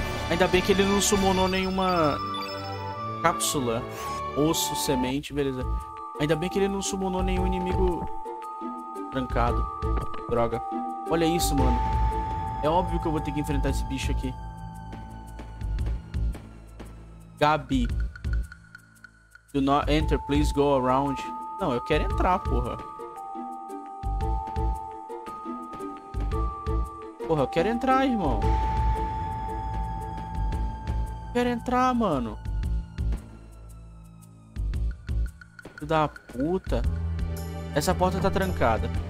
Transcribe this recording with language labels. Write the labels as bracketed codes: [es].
[pt] Ainda bem que ele não summonou nenhuma cápsula, osso, semente, beleza. Ainda bem que ele não summonou nenhum inimigo trancado. Droga. Olha isso, mano. É óbvio que eu vou ter que enfrentar esse bicho aqui. Gabi. [en] Do not enter, please go around. [pt] Não, eu quero entrar, porra. Porra, eu quero entrar, irmão. Quero entrar, mano. Filho da puta. Essa porta tá trancada.